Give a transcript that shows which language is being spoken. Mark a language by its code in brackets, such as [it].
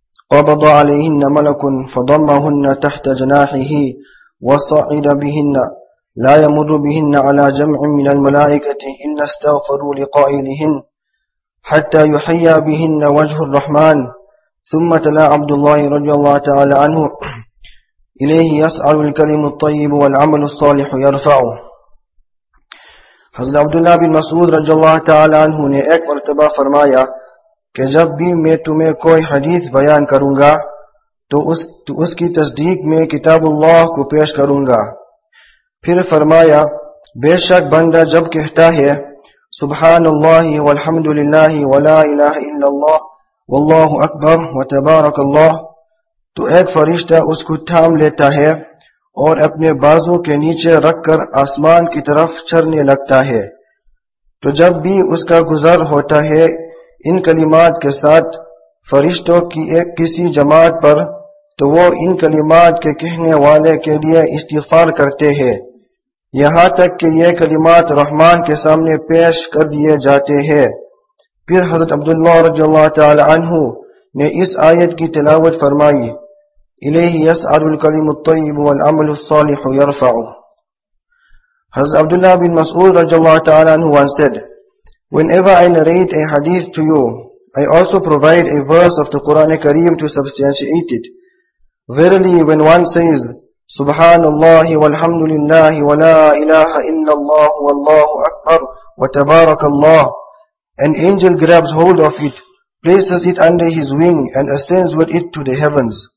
[ar] قبض عليهن ملك فضمهن تحت جناحه وصعد بهن لا يمر بهن على جمع من الملائكة إن استغفروا لقائلهن حتى يحيى بهن وجه الرحمن ثم تلا عبد الله رضي الله تعالى عنه إليه يسأل الكلم الطيب والعمل الصالح يرفعه. [ur] حضرت عبداللہ بن مسعود رضی اللہ تعالی عنہ نے ایک مرتبہ فرمایا کہ جب بھی میں تمہیں کوئی حدیث بیان کروں گا تو اس کی تصدیق میں کتاب اللہ کو پیش کروں گا. پھر فرمایا بے شک بندہ جب کہتا ہے [ar] سبحان اللہ والحمد للہ ولا الہ الا اللہ واللہ اکبر وتبارک اللہ [ur] تو ایک فرشتہ اس کو تھام لیتا ہے اور اپنے بازو کے نیچے رکھ کر آسمان کی طرف چرنے لگتا ہے. تو جب بھی اس کا گزر ہوتا ہے ان کلمات کے ساتھ فرشتوں کی ایک کسی جماعت پر تو وہ ان کلمات کے کہنے والے کے لیے استغفار کرتے ہیں یہاں تک کہ یہ کلمات رحمان کے سامنے پیش کر دیے جاتے ہیں. پھر حضرت عبداللہ رضی اللہ تعالی عنہ نے اس آیت کی تلاوت فرمائی [ar] إليه يسأل الكلم الطيب والعمل الصالح يرفعه. [ur] حضرت عبداللہ بن مسعود رضی اللہ تعالی عنہ [en] once said, whenever I narrate a hadith to you, I also provide a verse of the Quran Kareem to substantiate it. Verily, when one says, [ar] سبحان اللہ والحمد للہ ولا الہ الا اللہ واللہ اکبر وتبارک اللہ, [en] an angel grabs hold of it, places it under his wing and ascends with it to the heavens.